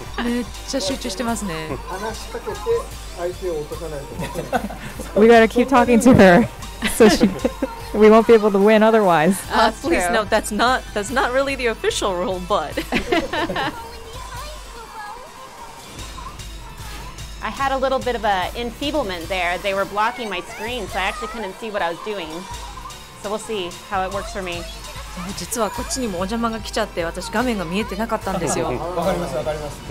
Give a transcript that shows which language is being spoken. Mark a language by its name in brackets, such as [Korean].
[Japanese] めっちゃ集中してますね。話しかけて相手を落とさないと。 [English] We gotta keep talking to her. So she... we won't be able to win otherwise. Please no, that's not really the official rule, but... I had a little bit of an enfeeblement there. They were blocking my screen, so I actually couldn't see what I was doing. So we'll see how it works for me. [Japanese] 実はこっちにもお邪魔が来ちゃって、私画面が見えてなかったんですよ。わかりますわかります。